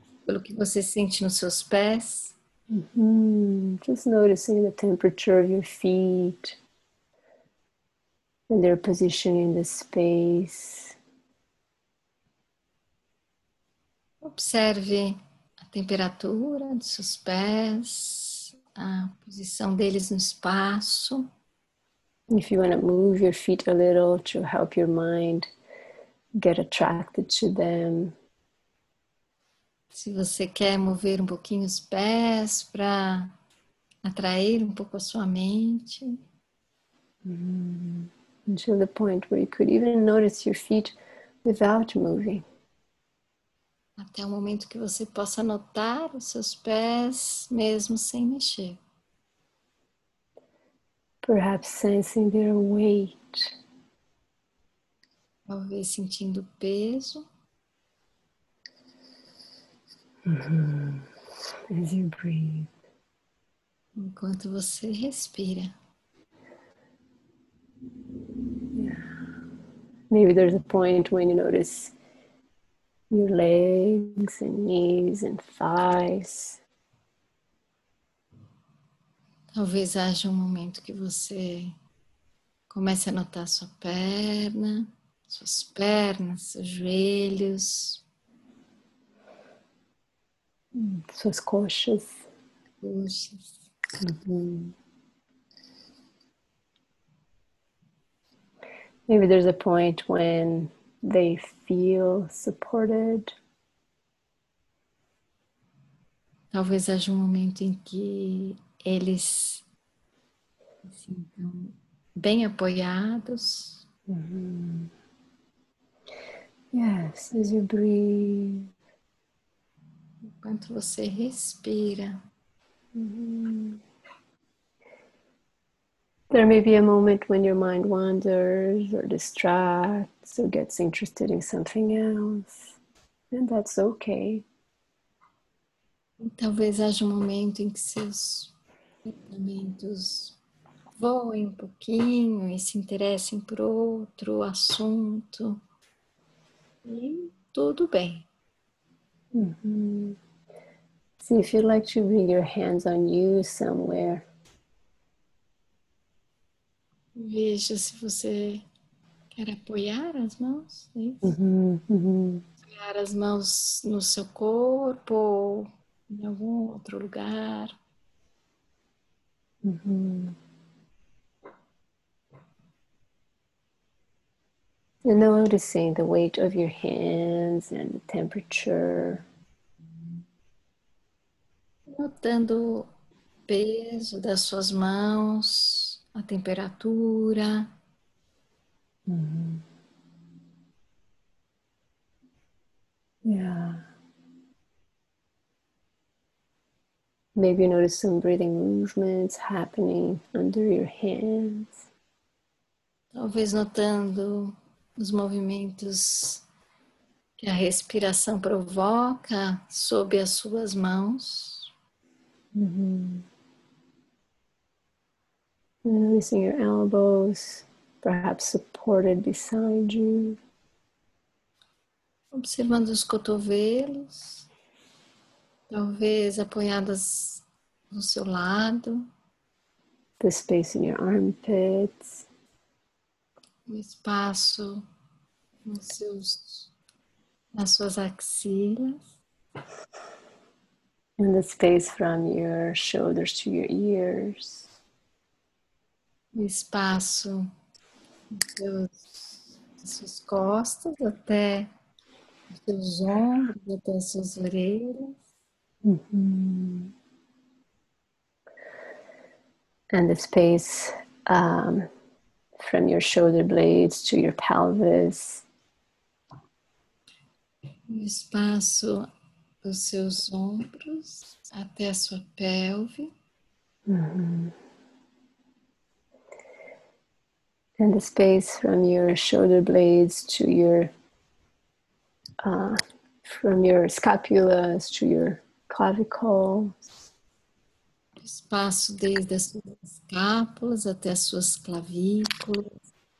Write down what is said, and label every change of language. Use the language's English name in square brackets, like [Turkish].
[Portuguese] pelo que você sente nos seus pés. [English] Just noticing the temperature of your feet and their position in the space. [Portuguese] Observe a temperatura dos seus pés, a posição deles no espaço. [English] If you want to move your feet a little to help your mind get attracted to them. [Portuguese] Se você quer mover um pouquinho os pés para atrair um pouco a sua mente. [English] Until the point where you could even notice your feet without moving. [Portuguese] Até o momento que você possa notar os seus pés mesmo sem mexer. [English] Perhaps sensing their weight. [Portuguese] Talvez sentindo peso. [English] As you breathe. [Portuguese] Enquanto você respira. [English] Maybe there's a point when you notice your legs and knees and thighs. [Portuguese] Talvez haja um momento que você comece a notar sua perna, suas pernas, seus joelhos, suas coxas. Coxas. [English] Maybe there's a point when they feel supported. [Portuguese] Talvez haja um momento em que eles sintam bem apoiados. [English] Yes, as you breathe. [Portuguese] Enquanto você respira. [English] There may be a moment when your mind wanders or distracts or gets interested in something else. And that's okay. [Portuguese] Talvez haja um momento em que seus pensamentos voem um pouquinho e se interessem por outro assunto. E tudo bem. [English] See if you'd like to bring your hands on you somewhere. [Portuguese] Veja se você quer apoiar as mãos, é isso? Apoiar as mãos no seu corpo ou em algum outro lugar. [English] Noticing the weight of your hands and the temperature. [Portuguese] Notando o peso das suas mãos. A temperatura. [English] Maybe you notice some breathing movements happening under your hands. [Portuguese] Talvez notando os movimentos que a respiração provoca sob as suas mãos. [English] Noticing your elbows, perhaps supported beside you. [Portuguese] Observando os cotovelos, talvez apoiadas no seu lado. [English] The space in your armpits. [Portuguese] O espaço nos seus, nas suas axilas. [English] And the space from your shoulders to your ears. [Portuguese] O espaço das suas costas até os seus ombros, até as suas orelhas. [English] And the space from your shoulder blades to your pelvis. [Portuguese] O espaço dos seus ombros até a sua pelve. [English] And the space from your shoulder blades to your, from your scapulas to your clavicles. [Portuguese] Espaço desde as suas escápulas até as suas clavículas.